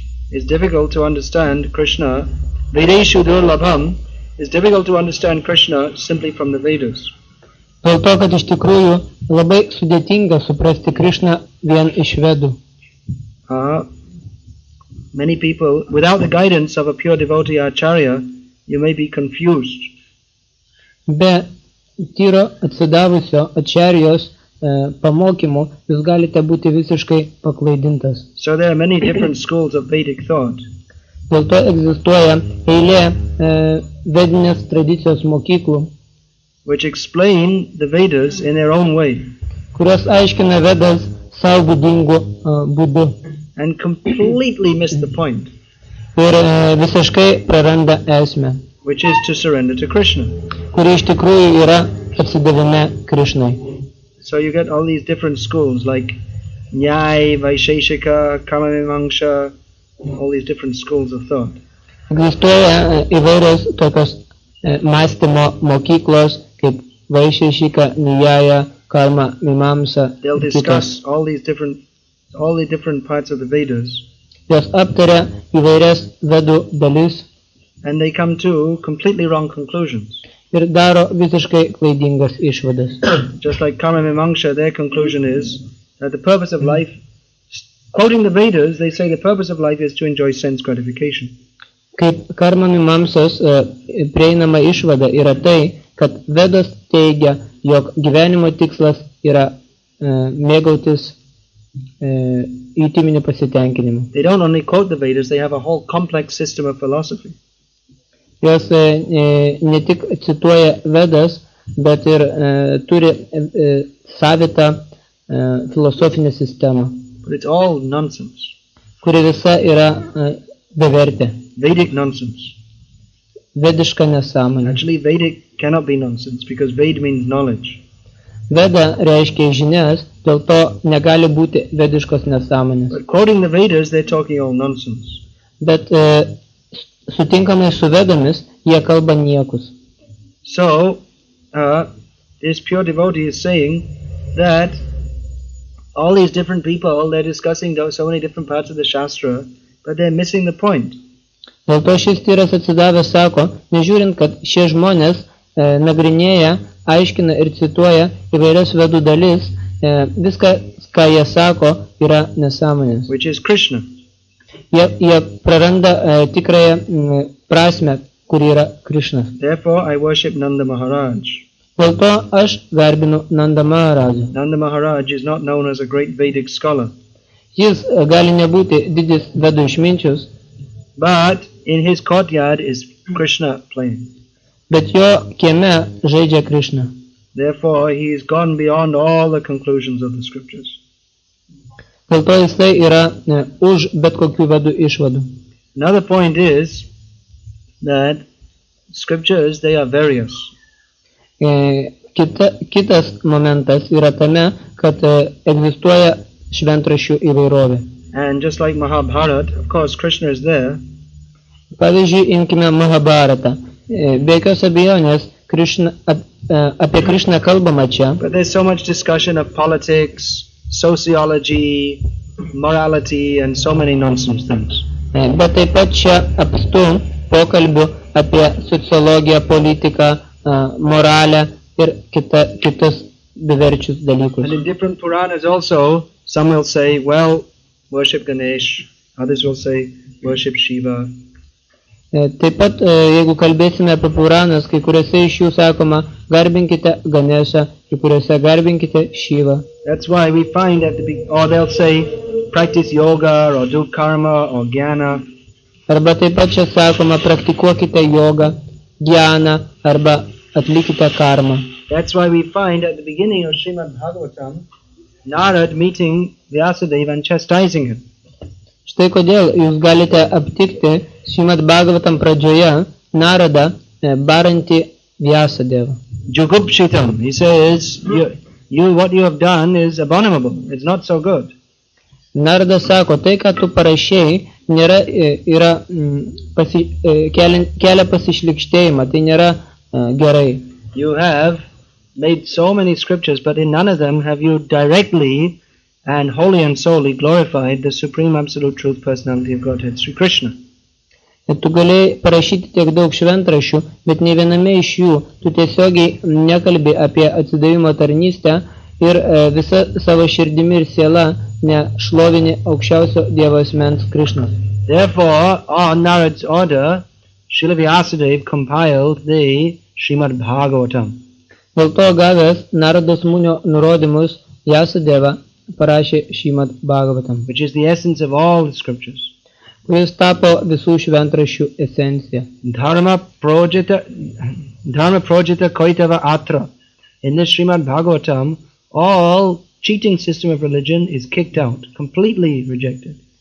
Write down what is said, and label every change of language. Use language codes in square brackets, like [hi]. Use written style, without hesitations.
[en] It's difficult to understand Krishna. [sa] Vedeshu durlabham [en] is difficult to understand Krishna simply from the Vedas. [lt] Dėl to, kad iš tikrųjų labai sudėtinga suprasti Krishna vien iš Vedų. [en] Many people, without the guidance of a pure devotee acharya, you may be confused. [lt] Be tyro atsidavusio acharyos pamokymu, jūs galite būti visiškai paklaidintas. [en] So there are many different schools of Vedic thought. [lt] Dėl to egzistuoja eilė vedinės tradicijos mokyklų, [en] which explain the Vedas in their own way. [lt] Kurios aiškina Vedas savo būdingu būdu. [en] And completely miss the point. [lt] Ir visiškai praranda esmę. [en] Which is to surrender to Krishna. [lt] Kuri iš tikrųjų yra atsidavime Krishnai. [en] So you get all these different schools like Nyai, Vaisheshika, Kamamimamsa, all these different schools of thought. [lt] Egzistuoja įvairios tokios mąstymo mokyklos, kaip Vaisheshika, Nyaya, Karma, Mimamsa. [en] They'll discuss all the different parts of the Vedas. [lt] Jos aptaria įvairias Vedų dalis. [en] And they come to completely wrong conclusions. [lt] Ir daro visiškai klaidingas išvadas. [en] Just like Karma Mimamsa, their conclusion is that the purpose of life, quoting the Vedas, they say the purpose of life is to enjoy sense gratification. [lt] Kaip Karma Mimamsos prieinama išvada yra tai, kad Vedas teigia, jog gyvenimo tikslas yra mėgautis jutiminiu pasitenkinimu. [en] They don't only quote the Vedas, they have a whole complex system of philosophy. [lt] Jos ne tik cituoja Vedas, bet ir turi savitą filosofinę sistemą. [en] But it's all nonsense. [lt] Kuri visa yra bevertė. [en] Vedic nonsense. [lt] Vediška nesąmonė. [en] Actually, Vedic cannot be nonsense, because Ved means knowledge. [lt] Veda reiškia žinias, dėl to negali būti vediškos nesąmonės. [en] But quoting the Vedas, they're talking all nonsense. [lt] Bet sutinkamai su Vedomis, jie kalba niekus. [en] So, this pure devotee is saying that all these different people, they're discussing so many different parts of the Shastra, but they're missing the point. [lt] Dėl to šis tyras atsidavęs sako, nežiūrint, kad šie žmonės nagrinėja, aiškina ir cituoja įvairias Vedų dalis, viskas, ką jie sako, yra nesąmonės. [en] Which is Krishna. [lt] Jie praranda tikrąją prasmę, kuri yra Krishna. [en] Therefore, I worship Nanda Maharaj. [lt] Dėl to aš garbinu Nanda Maharaj. [en] Nanda Maharaj is not known as a great Vedic scholar. [lt] Jis gali nebūti didis Vedų išminčius. [en] But in his courtyard is Krishna playing. [lt] Bet jo kieme žaidžia Krishna. [en] Therefore, he is gone beyond all the conclusions of the scriptures. [lt] Dėl to jisai yra už bet kokių vadų išvadų. [en] Another point is that scriptures, they are various. [lt] Kitas momentas yra tame, kad egzistuoja šventraščių įvairovė. [en] And just like Mahabharata, of course Krishna is there. [lt] Pavyzdžiui, imkime Mahabharata. Be jokios abejonės, apie Krishna kalbama čia. [en] But there's so much discussion of politics, sociology, morality and so many nonsense things. [lt] Bet taip pat čia apstu pokalbių apie sociologiją, politiką, moralę ir kitus diverčius dalykus. [en] And in different Puranas also, some will say, well, worship Ganesh, others will say, worship Shiva. [lt] Taip pat, jeigu kalbėsime apie Puranas, kai kuriuose iš jų sakoma, garbinkite Ganesha, kai kuriuose garbinkite Shiva. [en] That's why we find that or they'll say, practice yoga, or do karma, or jnana. [lt] Arba taip pat čia sakoma, praktikuokite jogą, jnana, arba atlikite karmą. [en] That's why we find at the beginning of Srimad Bhagavatam, Narad meeting Vyasadeva and chastising him. [lt] Štai kodėl jūs galite aptikti Srimad Bhagavatam pradžioje Narada barantį Vyasadevą. [en] Jugupshitam, he says, what you have done is abominable, it's not so good. [lt] Narada sako, tai, ką tu parašėjai, kelia pasišlikštėjimą, tai nėra gerai. [en] You have made so many scriptures, but in none of them have you directly and wholly and solely glorified the Supreme Absolute Truth Personality of Godhead, Sri Krishna. [lt] Tu galėjai parašyti tiek daug šventrašių, bet ne viename iš jų tu tiesiogiai nekalbi apie atsidavimo tarnystę ir visą savo širdimi ir sielą nešlovini aukščiausio Dievo asmens Krishna. [en] Therefore, on Narad's order, Srila Vyasadeva compiled the Srimad Bhagavatam. [lt] Dėl to gavęs Narados Munio nurodymus, Vyasadeva parašė Srimad Bhagavatam, [en] which is the essence of all the scriptures. [lt] Kuris tapo visų šventrašių esencija. [sa] Dharma projita koitava atra. [en] In the Srimad Bhagavatam, all cheating system of religion is kicked out, completely rejected.